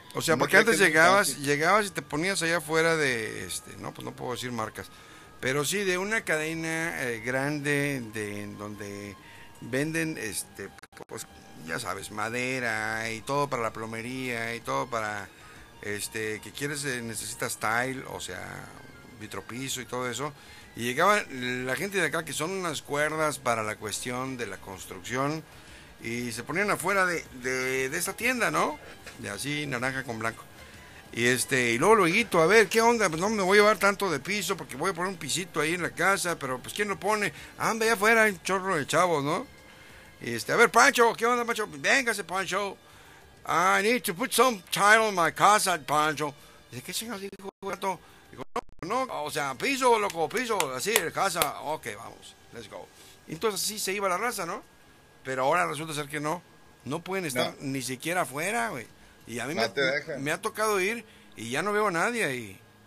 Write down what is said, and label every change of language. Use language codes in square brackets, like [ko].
[es] O sea, porque antes llegabas y te ponías allá afuera de, no, pues no puedo decir marcas, pero sí de una cadena grande de donde venden, pues ya sabes, madera y todo para la plomería y todo para, que quieres, necesitas tile, o sea, vitropiso y todo eso, y llegaba la gente de acá, que son unas cuerdas para la cuestión de la construcción, y se ponían afuera de esta tienda, ¿no? De así, naranja con blanco, y luego, a ver, ¿qué onda? Pues no me voy a llevar tanto de piso, porque voy a poner un pisito ahí en la casa, pero pues ¿quién lo pone? Anda allá afuera, un chorro de chavos, ¿no? A ver, Pancho, ¿qué onda, Pancho? Véngase, Pancho, [en] I need to put some tile on my casa, Pancho. [es] Dice, ¿qué señor dijo, gato? Digo, no, o sea, piso, loco, piso, así, casa, ok, vamos, [en] let's go. [es] Entonces sí se iba la raza, ¿no? Pero ahora resulta ser que no pueden estar ni siquiera afuera, güey. Y a mí me ha tocado ir y ya no veo a nadie ahí.